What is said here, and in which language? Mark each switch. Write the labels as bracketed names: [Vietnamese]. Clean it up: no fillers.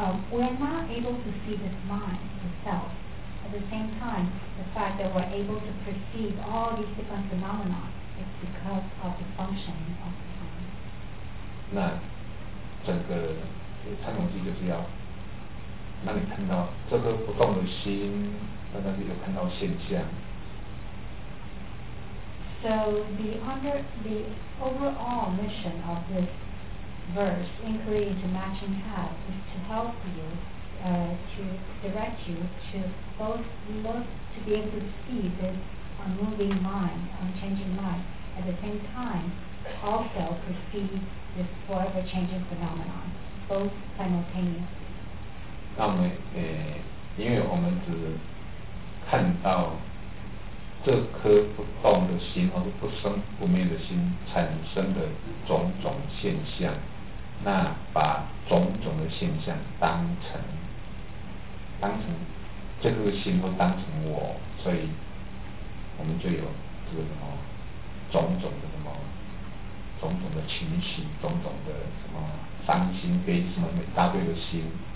[English] We're not able to see this mind itself. At the same time, the fact that we're able to perceive all these different phenomena is because of the functioning of the mind. [Chinese] 那整个禅宗就是要让你看到这个不动的心，让你有看到现象。 [English] So the overall mission of this verse, inquiry into matching paths, is to help you to direct you to both look to be able to see this moving mind, changing mind, at the same time also perceive this forever changing phenomenon, both simultaneously. Because we [Chinese] 这颗不动的心，或者不生不灭的心产生的种种现象，那把种种的现象当成这个心，或当成我，所以我们就有这个什么种种的什么种种的情绪，种种的什么伤心悲什么一大堆的心。